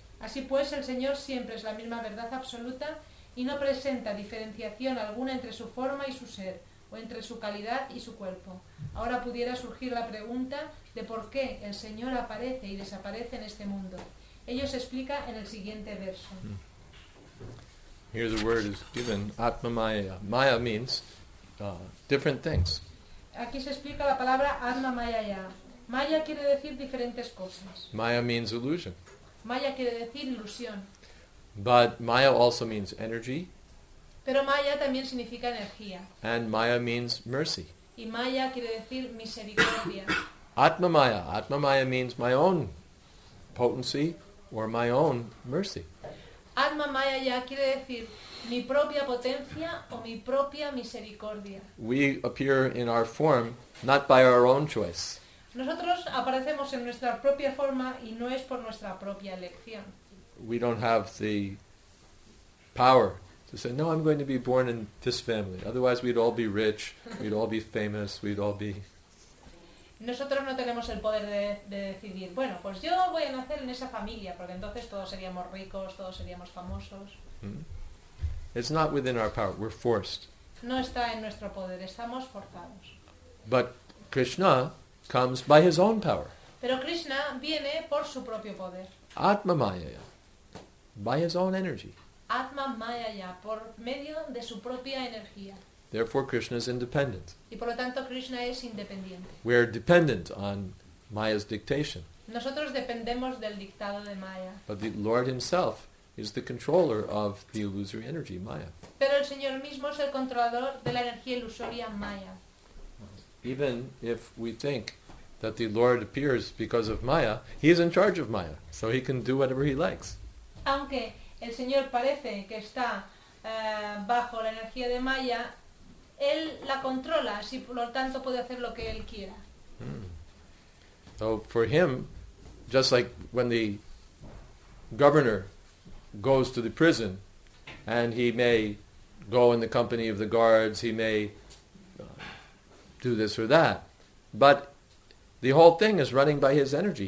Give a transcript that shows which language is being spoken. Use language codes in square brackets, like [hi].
[es] Así pues, el Señor siempre es la misma verdad absoluta y no presenta diferenciación alguna entre su forma y su ser, o entre su calidad y su cuerpo. Ahora pudiera surgir la pregunta de por qué el Señor aparece y desaparece en este mundo. Ello se explica en el siguiente verso. [en] Here the word is given, Atma Maya. Maya means different things. [es] Aquí se explica la palabra Atma Maya ya. Maya quiere decir diferentes cosas. [en] Maya means illusion. [es] Maya quiere decir ilusión. [en] But Maya also means energy. [es] Pero Maya también significa energía. [en] And Maya means mercy. [es] Y Maya quiere decir misericordia. [en] Atma Maya. Atma Maya means my own potency or my own mercy. [es] Atma Maya ya quiere decir mi propia potencia o mi propia misericordia. [en] We appear in our form not by our own choice. [es] Nosotros aparecemos en nuestra propia forma y no es por nuestra propia elección. [en] We don't have the power to say, no, I'm going to be born in this family. Otherwise we'd all be rich, we'd all be famous, we'd all be... [es] Nosotros no tenemos el poder de decidir, bueno, pues yo voy a nacer en esa familia, porque entonces todos seríamos ricos, todos seríamos famosos. [en] It's not within our power, we're forced. [es] No está en nuestro poder, estamos forzados. [en] But Krishna comes by his own power. [es] Pero Krishna viene por su propio poder. [en] Atma Maya. By his own energy. [es] Atma Maya ya, por medio de su propia energía. [en] Therefore Krishna is independent. [es] Y por lo tanto Krishna es independiente. [en] We are dependent on Maya's dictation. [es] Nosotros dependemos del dictado de Maya. [en] But the Lord himself is the controller of the illusory energy, Maya. [es] Pero el Señor mismo es el controlador de la energía ilusoria Maya. [en] Even if we think that the Lord appears because of Maya, he is in charge of Maya, so he can do whatever he likes. [es] Aunque el Señor parece que está bajo la energía de Maya, él la controla, así por lo tanto puede hacer lo que él quiera. [en] So for him, just like when the governor goes to the prison, and he may go in the company of the guards, he may do this or that, but the whole thing is running by his energy.